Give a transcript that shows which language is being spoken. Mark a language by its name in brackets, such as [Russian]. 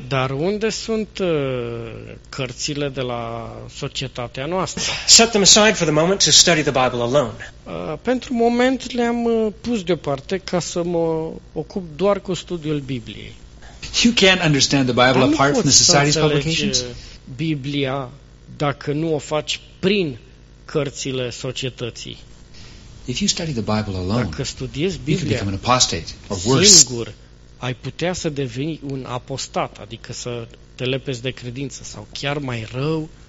[Romanian] Dar unde sunt cărțile de la societatea noastră? [English] Set them aside for the moment to study the Bible alone. [Romanian] Pentru moment le-am pus deoparte ca să mă ocup doar cu studiul Bibliei. [English] You can't understand the Bible apart from the society's publications? [Romanian] Biblia dacă nu o faci prin cărțile societății. [English] If you study the Bible alone, [Romanian] dacă studiezi Biblia, [English] you can become an apostate or worse. [Romanian] Singur, ai putea să devii un apostat, adică să te lepezi de credință sau chiar mai rău.